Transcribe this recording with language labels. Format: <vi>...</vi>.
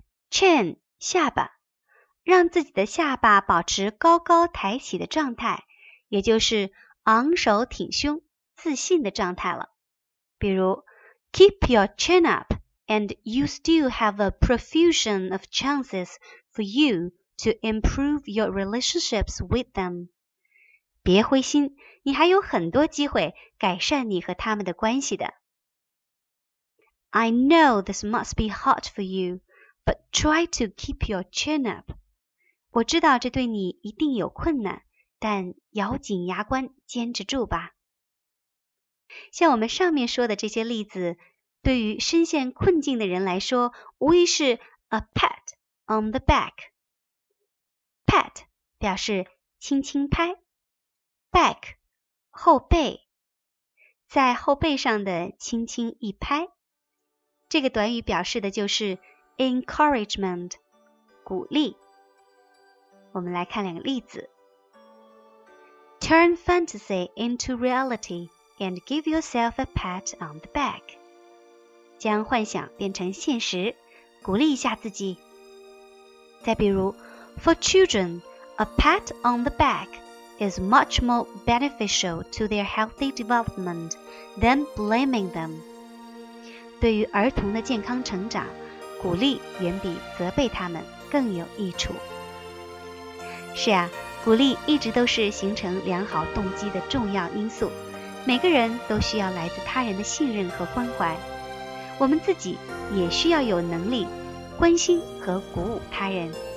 <en>Chin</en> <zh>下巴，让自己的下巴保持高高抬起的状态，也就是昂首挺胸、自信的状态了。比如</zh> <en>，Keep your chin up， and you still have a profusion of chances for you to improve your relationships with them。</en> <zh>别灰心，你还有很多机会改善你和他们的关系的。</zh> <en>I know this must be hard for you, but try to keep your chin up.</en> <zh>我知道这对你一定有困难，但咬紧牙关坚持住吧。像我们上面说的这些例子，对于深陷困境的人来说，无疑是</zh> <en>a pat on the back。</en> <zh>Pat 表示轻轻拍。Back， 后背，在后背上的轻轻一拍，这个短语表示的就是 encouragement， 鼓励。我们来看两个例子。</zh> <en>Turn fantasy into reality and give yourself a pat on the back.</en> <zh>将幻想变成现实，鼓励一下自己。再比如</zh> <en>，For children, a pat on the back. Is much more beneficial to their healthy development than blaming them.</en> <zh>对于儿童的健康成长，鼓励远比责备他们更有益处。是啊，鼓励一直都是形成良好动机的重要因素。每个人都需要来自他人的信任和关怀，我们自己也需要有能力关心和鼓舞他人。</zh>